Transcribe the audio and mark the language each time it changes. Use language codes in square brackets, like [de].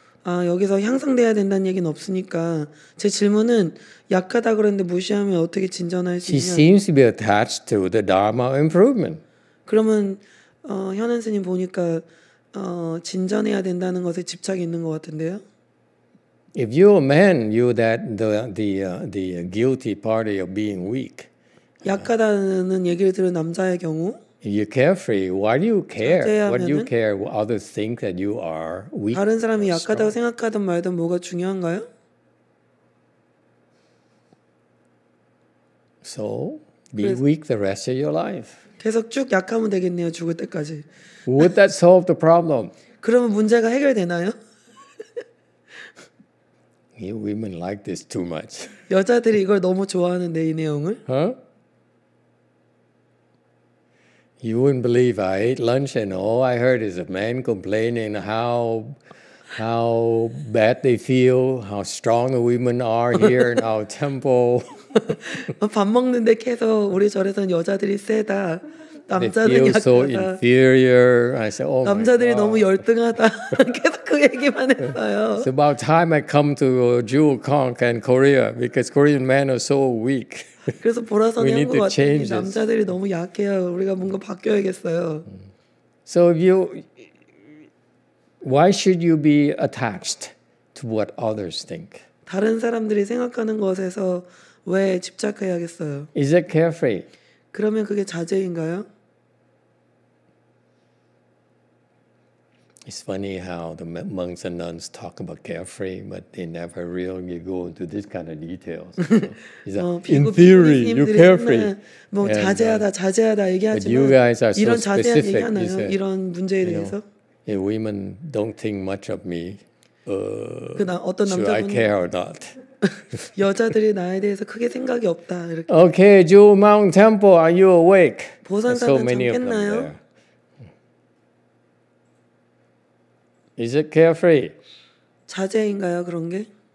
[ko] 여기서 향상돼야 된다는 얘기는 없으니까 제 질문은 약하다 그러는데 무시하면 어떻게 진전할 수 있냐. [en] She seems to be attached to the Dharma improvement. [ko] 그러면 현은 스님 보니까 진전해야 된다는 것에 집착이 있는 것 같은데요. [en] If you're a man, you're that the guilty party of being weak. [ko] 약하다는 얘기를 들은 남자의 경우. [en] You're carefree. Why do you care? What do you care? What others think that you are weak? [ko] 다른 사람이 약하다고 생각하든 말든 뭐가 중요한가요? [en] So be weak the rest of your life. [ko] 계속 쭉 약하면 되겠네요. 죽을 때까지. [en] Would that solve the problem? [ko] 그러면 문제가 해결되나요? [en] You women like this too much. [ko] 여자들이 이걸 너무 좋아하는데 이 내용을? Huh? [en] You wouldn't believe I ate lunch and all I heard is a man complaining how bad they feel, how strong the women are here in our temple. [ko] 밥 먹는데 계속 우리 절에서는 여자들이 세다. [en] They feel so inferior. I said, oh my God. [ko] 남자들이 너무 열등하다. 계속 그 얘기만 했어요. [en] It's about time I come to Jewel Conk and Korea because Korean men are so weak. [ko] 그래서 보라성이 한 것 같더니 남자들이 너무 약해요. 우리가 뭔가 바뀌어야겠어요. [en] So if you, why should you be attached to what others think? [ko] 다른 사람들이 생각하는 것에서 왜 집착해야겠어요? [en] Is it carefree? [ko] 그러면 그게 자제인가요? [en] It's funny how the monks and nuns talk about carefree, but they never really go into this kind of details. So, in theory, you're carefree. [ko] 뭐 자제하다, 자제하다 얘기하지만 [en] but you guys are so [ko] 이런 자제한 [en] specific, [ko] 얘기하나요? [en] Said, [ko] 이런 문제에 대해서? [en] You know, women don't think much of me. Should I care or not? [ko] 여자들이 나에 대해서 크게 생각이 없다 이렇게. [en] Okay, Jewel Mount Temple, are you awake? [ko] 보산사는 잠깼나요? [en] Is it carefree? [ko] 자제인가요 그런 게?